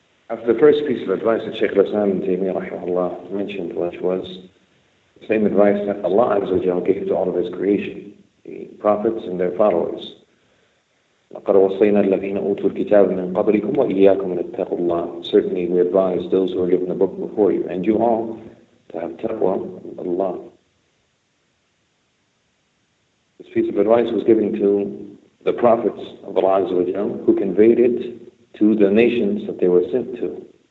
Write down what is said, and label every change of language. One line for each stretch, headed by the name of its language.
English: After the first piece of advice that Sheikh Al-Islam ibn Taymiyyah rahimahullah mentioned, which was the same advice that Allah Azza wa Jalla gave to all of His creation, the prophets and their followers.
Arabic: لقد وصينا الذين أوتوا الكتاب من قبلكم وإياكم أن تتقوا الله.
English: Certainly we advise those who are given the book before you and you all to have taqwa of Allah. This piece of advice was given to the prophets of Allah Azza wa Jalla, who conveyed it to the nations that they were sent to.